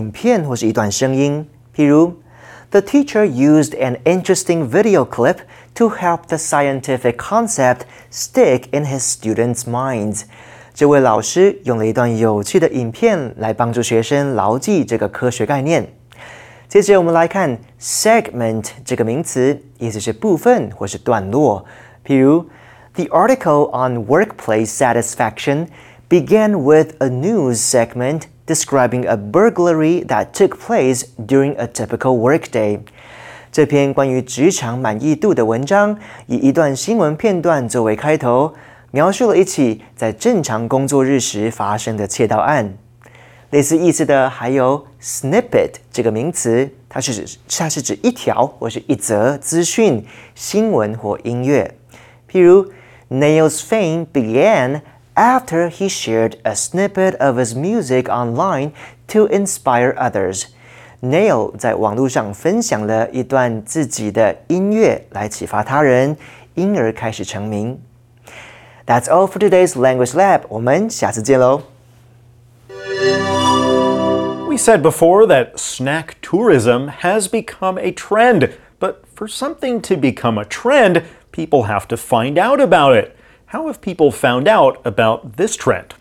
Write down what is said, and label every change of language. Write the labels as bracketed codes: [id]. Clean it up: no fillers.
[en] The teacher used an interesting video clip to help the scientific concept stick in his students' minds. [zh] 这位老师用了一段有趣的影片来帮助学生牢记这个科学概念。接着我们来看 segment 这个名词，意思是部分或是段落。譬如 [en] ,The article on workplace satisfaction began with a news segment describing a burglary that took place during a typical workday. [zh] 这篇关于职场满意度的文章以一段新闻片段作为开头，描述了一起在正常工作日时发生的窃盗案。类似意思的还有 snippet 这个名词，它是指一条或是一则资讯、新闻或音乐。譬如 [en] Neil's fame began after he shared a snippet of his music online to inspire others. [zh] Neil 在网络上分享了一段自己的音乐来启发他人，因而开始成名。 [en] That's all for today's Language Lab. [zh] 我们下次见喽。 [en] We said before that snack tourism has become a trend, but for something to become a trend, people have to find out about it. How have people found out about this trend?